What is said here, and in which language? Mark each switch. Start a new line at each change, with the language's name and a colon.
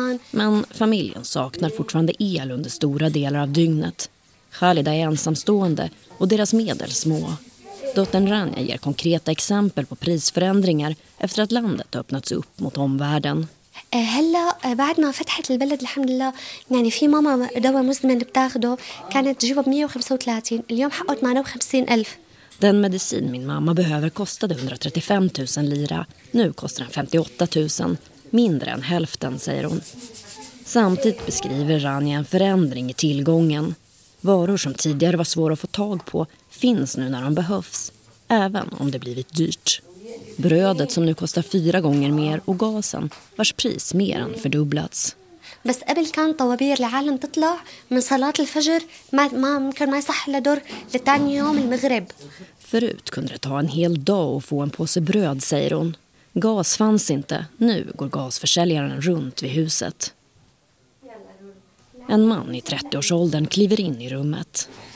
Swedish: Men familjen saknar fortfarande el under stora delar av dygnet. Khalida är ensamstående och deras medel små. Dottern Rania ger konkreta exempel på prisförändringar efter att landet öppnats upp mot omvärlden.
Arabic: هلا بعد ما فتحت البلد الحمد لله يعني في ماما دواء مزمن بتاخده كانت تجيبه 135 اليوم حقه 58000.
Swedish: Den medicin min mamma behöver kostade 135 000 lira. Nu kostar den 58 000. Mindre än hälften, säger hon. Samtidigt beskriver Rania en förändring i tillgången. Varor som tidigare var svåra att få tag på finns nu när de behövs. Även om det blivit dyrt. Brödet som nu kostar 4 gånger mer och gasen vars pris mer än fördubblats.
Arabic: بس قبل كان طوابير العالم تطلع من صلاة الفجر ما ممكن ما يصح له دور لتاني يوم المغرب.
Swedish: Förut kunde det ta en hel dag att få en påse bröd, säger hon. Gas fanns inte. Nu går gasförsäljaren runt vid huset. En man i 30-årsåldern kliver in i rummet.